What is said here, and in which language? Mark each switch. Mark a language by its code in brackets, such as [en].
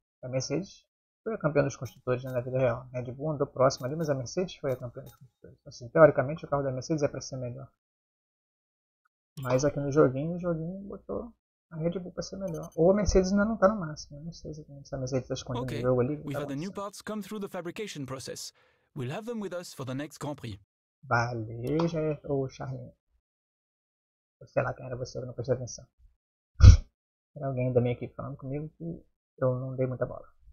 [pt] A Mercedes foi a campeã dos construtores, né, na vida real. A Red Bull andou próximo ali, mas a Mercedes foi a campeã dos construtores. Assim, teoricamente, o carro da Mercedes é para ser melhor. Mas aqui no joguinho, o joguinho botou a Red Bull para ser melhor. Ou a Mercedes ainda não está no máximo. Não sei se a Mercedes está escondendo o jogo ali. [en] We have the new parts come through the fabrication process. We'll have them with us for the next Grand Prix. [pt] Valeu, já é o Charlinho. Sei lá quem era você, eu não prestei atenção. Era alguém da minha equipe falando comigo que eu não dei muita bola.